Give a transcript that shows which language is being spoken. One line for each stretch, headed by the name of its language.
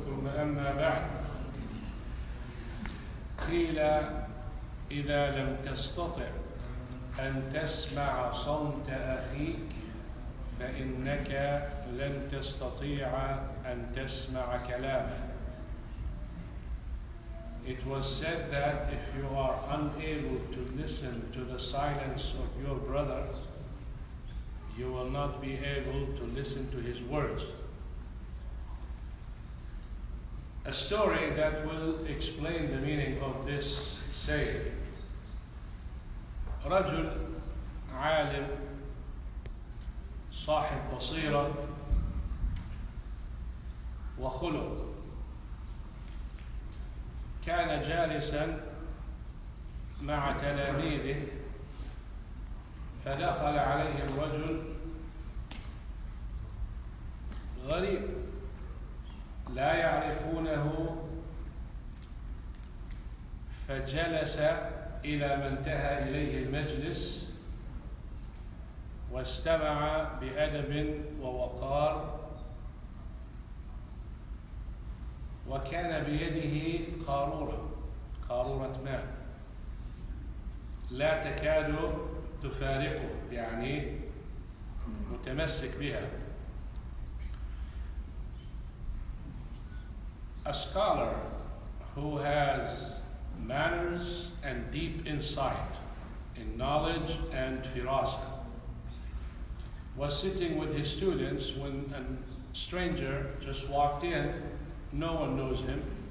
Arabic: ثم أما بعد، قيل إذا لم تستطع أن تسمع صمت أخيك فإنك لن تستطيع أن تسمع كلامه.
English: It was said that if you are unable to listen to the silence of your brother, you will not be able to listen to his words. A story that will explain the meaning of this saying.
Arabic: رجل عالم صاحب بصيرة وخلق كان جالسا مع تلاميذه، فدخل عليه الرجل غريب لا يعرفونه، فجلس إلى ما انتهى إليه المجلس واستمع بأدب ووقار، وكان بيده قارورة، قارورة ماء لا تكاد تفارقه، يعني متمسك بها.
English: A scholar who has manners and deep insight in knowledge and firasa was sitting with his students when a stranger just walked in. No one knows him.